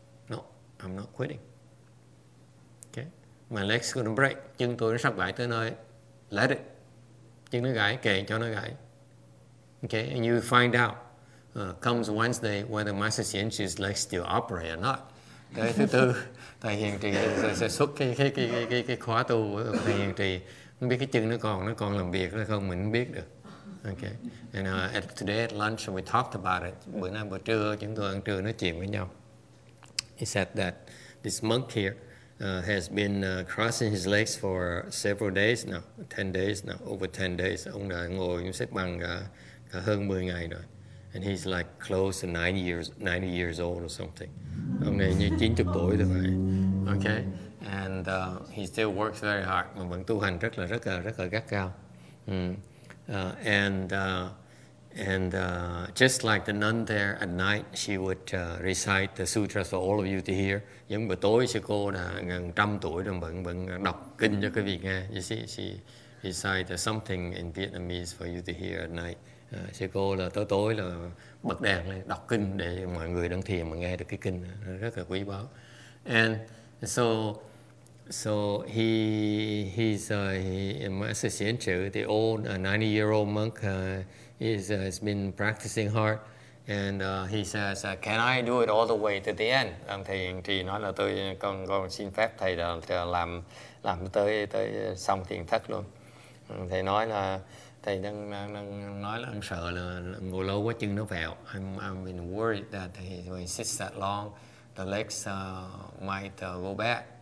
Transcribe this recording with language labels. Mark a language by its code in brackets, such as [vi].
[en] No, I'm not quitting. Okay? My leg's gonna break. [vi] Chân tôi nó sắp gãy tới nơi. [en] Let it. [vi] Chân nó gãy, kệ cho nó gãy. Okay? [en] And you find out, comes Wednesday, whether Master Xianxi's leg still operate or not. [vi] Đấy, thứ tư, thầy hiền trì sẽ xuất cái khóa tu của thầy hiền trì. Không biết cái chân nó còn làm việc hay không, mình không biết được. [en] Okay, and today at lunch we talked about it. [vi] Bữa nay bữa trưa chúng tôi ăn trưa nói chuyện với nhau. [en] He said that this monk here has been crossing his legs for several days now, 10 days now, over 10 days. [vi] Ông đã ngồi xếp bằng cả hơn 10 ngày rồi. [en] And he's like close to 90 years old or something. [vi] Okay, như chín chục tuổi rồi vậy. Okay, [en] and he still works very hard. [vi] Mà vẫn tu hành rất là gắt gao. [en] Just like the nun there at night, she would recite the sutras for all of you to hear. [vi] Giống buổi tối, sư cô đã gần trăm tuổi rồi vẫn đọc kinh cho quý vị nghe. [en] You see, she recited something in Vietnamese for you to hear at night. [vi] Sư cô là tối là bật đèn lên đọc kinh để mọi người đang thiền mà nghe được cái kinh, rất là quý báu. [en] And so he's my assistant too, the old 90-year-old monk. He's been practicing hard, and he says, "Can I do it all the way to the end?" [vi] Ông thầy hiện trì nói là tôi con xin phép thầy làm tới xong thiền thất luôn. Thầy nói là thầy đang nói là ông sợ là ngồi lâu quá chân nó vẹo. [en] I'm been worried that he sits that long, the legs might go bad.